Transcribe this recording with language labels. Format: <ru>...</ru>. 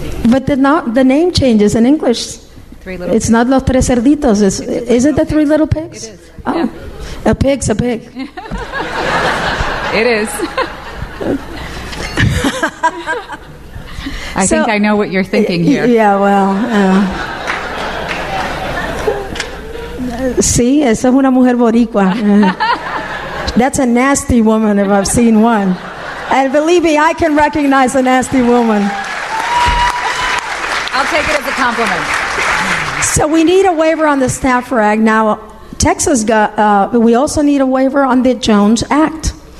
<en>But the name changes in English. It's not Los Tres Cerditos. Is it the three little pigs? It is. Oh, yeah. A pig's a pig. It is. I think I know what you're thinking here. Yeah, well.</en> <es>Sí, esa es una mujer boricua.</es> <en>That's a nasty woman if I've seen one. And believe me, I can recognize a nasty woman. I'll take it as a compliment. So we need a waiver on the Stafford Act. Now, Texas got, we also need a waiver on the Jones Act.</en>